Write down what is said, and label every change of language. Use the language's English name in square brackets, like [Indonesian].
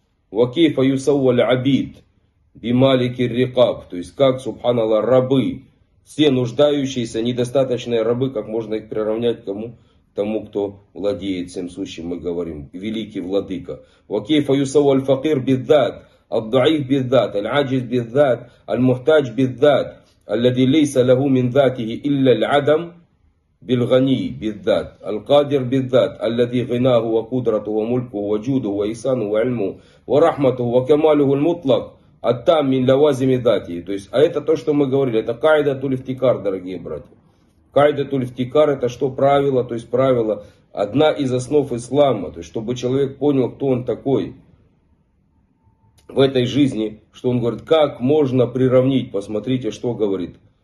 [Arabic] «Вакейфа юсауа л'абид би малики рикаб». [Russian] То есть как, субханаллах, рабы, все нуждающиеся, недостаточные рабы, как можно их приравнять кому? Тому, кто владеет всем сущим, мы говорим, великий владыка. [Arabic] Вакейфа юсау аль-факир бидзат. الضعيف بالذات، العاجز بالذات، المحتاج بالذات، الذي ليس له من ذاته إلا العدم، بالغني بالذات، القادر بالذات، الذي غناه وقدرته وملكه وجوده وإحسانه وعلمه ورحمته وكماله المطلق التام من لوازم ذاته. [Russian] То есть это то, что мы говорили, это [Arabic] قاعدة الافتكار, [Russian] дорогие братья. [Arabic] قاعدة الافتكار, [Russian] это что, правило, то есть правило, одна из основ ислама, то есть чтобы человек понял, кто он такой в этой жизни, что он говорит, как можно приравнить, посмотрите, что говорит.